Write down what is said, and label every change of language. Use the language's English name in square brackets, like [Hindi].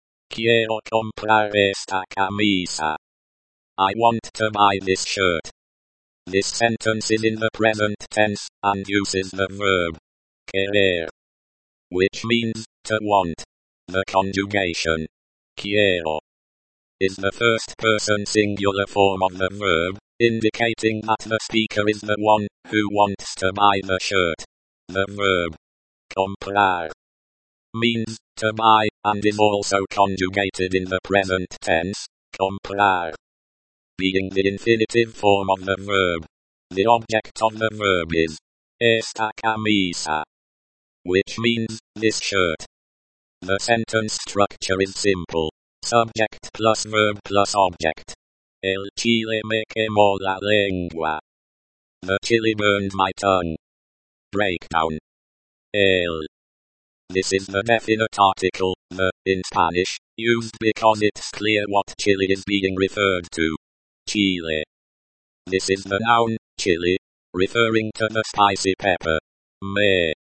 [Spanish] Quiero comprar esta camisa. [English] I want to buy this shirt. This sentence is in the present tense, and uses the verb, querer, which means, to want. The conjugation, quiero, is the first person singular form of the verb, indicating that the speaker is the one who wants to buy the shirt. The verb, comprar, means, to buy, and is also conjugated in the present tense, comprar, being the infinitive form of the verb. The object of the verb is [Spanish] esta camisa, [English] which means this shirt. The sentence structure is simple. Subject plus verb plus object. [Spanish] El chile me quemó la lengua. [English] The chili burned my tongue. Breakdown. El. This is the definite article, the, in Spanish, used because it's clear what chili is being referred to. Chile. This is the noun, chili, referring to the spicy pepper. Me.